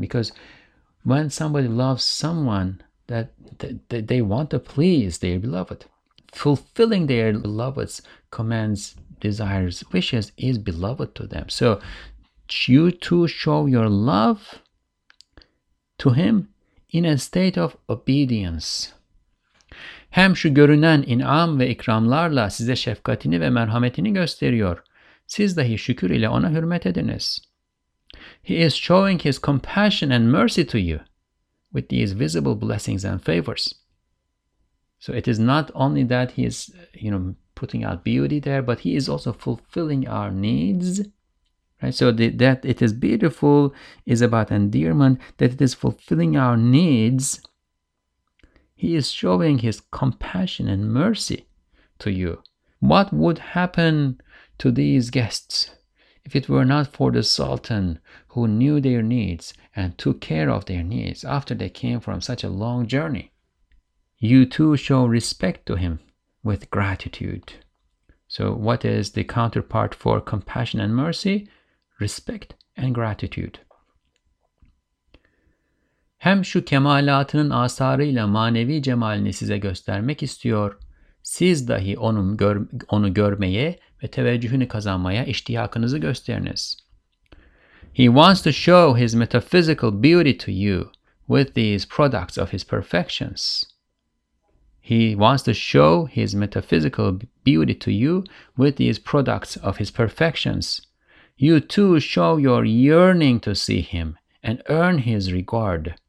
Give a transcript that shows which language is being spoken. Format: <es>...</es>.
<en>Because when somebody loves someone, that they want to please their beloved. Fulfilling their beloved's commands, desires, wishes is beloved to them. So you too show your love to him in a state of obedience.</en> <tr>Hem şu görünen inam ve ikramlarla size şefkatini ve merhametini gösteriyor. Siz dahi şükür ile ona hürmet ediniz.</tr> <en>He is showing his compassion and mercy to you with these visible blessings and favors. So it is not only that he is, you know, putting out beauty there, but he is also fulfilling our needs. Right? So that it is beautiful is about endearment, that it is fulfilling our needs. He is showing his compassion and mercy to you. What would happen to these guests if it were not for the Sultan who knew their needs and took care of their needs after they came from such a long journey? You too show respect to him with gratitude. So what is the counterpart for compassion and mercy? Respect and gratitude.</en> <tr>Hem şu kemalatının asarıyla manevi cemalini size göstermek istiyor. Siz dahi onu görmeye ve teveccühünü kazanmaya iştiyakınızı gösteriniz.</tr> <en>He wants to show his metaphysical beauty to you with these products of his perfections. He wants to show his metaphysical beauty to you with these products of his perfections. You too show your yearning to see him and earn his regard.</en>